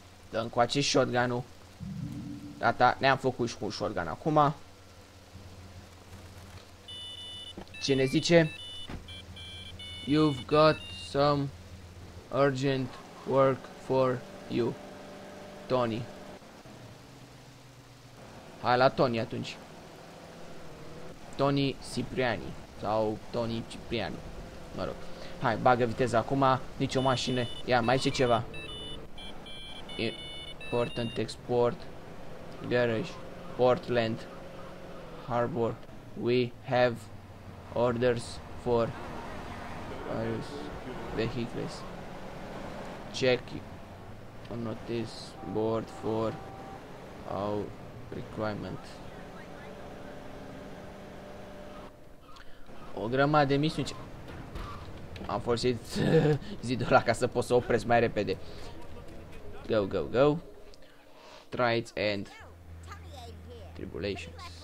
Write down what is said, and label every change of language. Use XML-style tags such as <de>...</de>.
<ro>Dă-mi cu acest shotgun-ul. Gata, ne-am făcut și cu shotgun acum. Cine zice?</ro> <en>You've got some urgent work for you, Tony.</en> <ro>Hai la Tony atunci. Tony Cipriani. Sau Tony Cipriani. Mă rog. Hai, bagă viteza acum, nicio mașină. Ia, mai zice ceva. Important export. Garage. Portland. Harbor.</ro> <en>We have orders for various vehicles. Check on notice board for our requirement.</en> <ro>O grămadă de misiuni. Am folosit zidul ăla ca să pot să opresc mai repede.</ro> <en>Go, go, go. Trials and tribulations.</en>